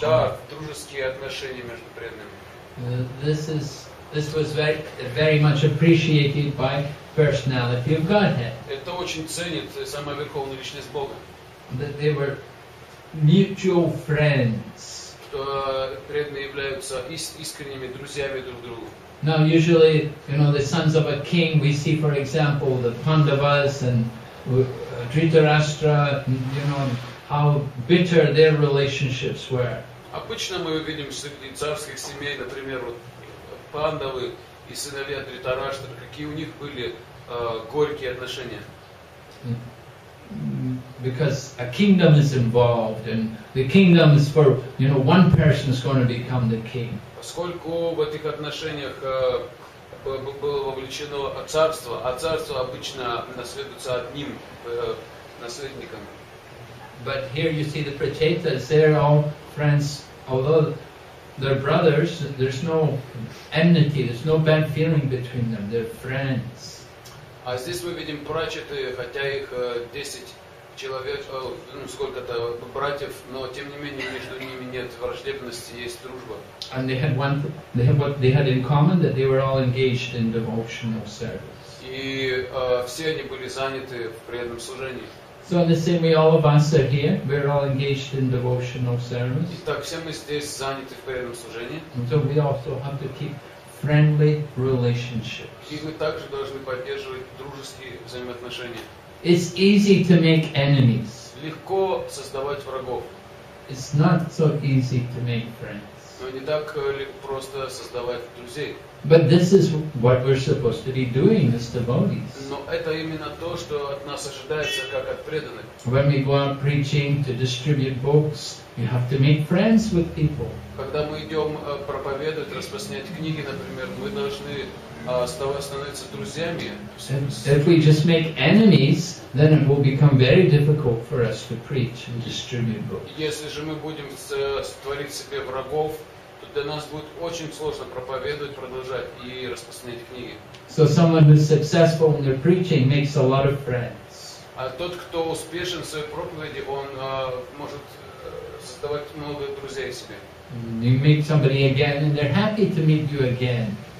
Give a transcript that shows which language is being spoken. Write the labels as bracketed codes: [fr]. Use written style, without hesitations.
[ru] Да, дружеские отношения между преданными. [en] This was very much appreciated by personality of Godhead. [ru] Это очень ценит самая верховная личность Бога. [en] That they were mutual friends. [ru] Что преданные являются искренними друзьями друг другу. [en] Now usually, you know, the sons of a king, we see, for example, the Pandavas and Dhritarashtra, you know, how bitter their relationships were. [ru] Обычно мы видим среди царских семей, например, вот Пандавы и сыновья Дхритараштры, какие у них были горькие отношения. [en] Because a kingdom is involved, and the kingdom is for, you know, one person is going to become the king. [ru] Поскольку в этих отношениях было вовлечено царство, а царство обычно наследуется одним наследником. [en] But here you see the Prachetas, they're all friends, although they're brothers, there's no enmity, there's no bad feeling between them, they're friends. [ru] А здесь мы видим Прачеты, хотя их 10 человек, ну сколько-то братьев, но тем не менее между ними нет враждебности, есть дружба. [en] And they had one, they had in common that they were all engaged in devotional service. [ru] И все они были заняты в преданном служении. [en] So in the same way, all of us are here. We're all engaged in devotional service. [ru] Итак, все мы здесь заняты в преданном служении. [en] And so we also have to keep friendly relationships. [ru] И мы также должны поддерживать дружеские взаимоотношения. [en] It's easy to make enemies. [ru] Легко создавать врагов. [en] It's not so easy to make friends. [ru] Но не так просто создавать друзей. [en] But this is what we're supposed to be doing as devotees. [ru] Но это именно то, что от нас ожидается, как от преданных. [en] When we go out preaching to distribute books, you have to make friends with people. [ru] Когда мы идем проповедовать, распространять книги, например, мы должны становиться друзьями. [en] If we just make enemies, then it will become very difficult for us to preach and distribute books. [ru] Если же мы будем створить себе врагов, то для нас будет очень сложно проповедовать, продолжать и распространять книги. [en] So someone who's successful in their preaching makes a lot of friends. [ru] А тот, кто успешен в своей проповеди, он может создавать много друзей себе. [en] You meet somebody again, and they're happy to meet you again.